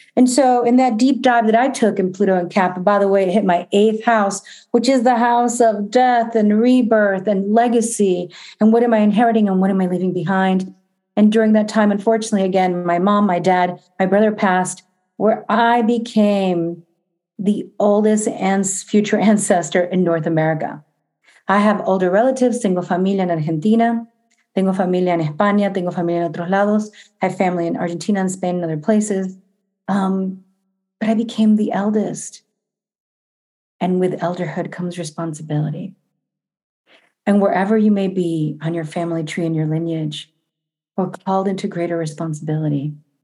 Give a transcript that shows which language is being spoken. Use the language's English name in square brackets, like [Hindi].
[English] And so in that deep dive that I took in Pluto and Cap, by the way, it hit my eighth house, which is the house of death and rebirth and legacy. And what am I inheriting and what am I leaving behind? And during that time, unfortunately, again, my mom, my dad, my brother passed, where I became the oldest future ancestor in North America. I have older relatives. [Spanish] Tengo familia en Argentina. Tengo familia en España. Tengo familia en otros lados. [English] I have family in Argentina and Spain and other places. But I became the eldest. And with elderhood comes responsibility. And wherever you may be on your family tree and your lineage, or called into greater responsibility,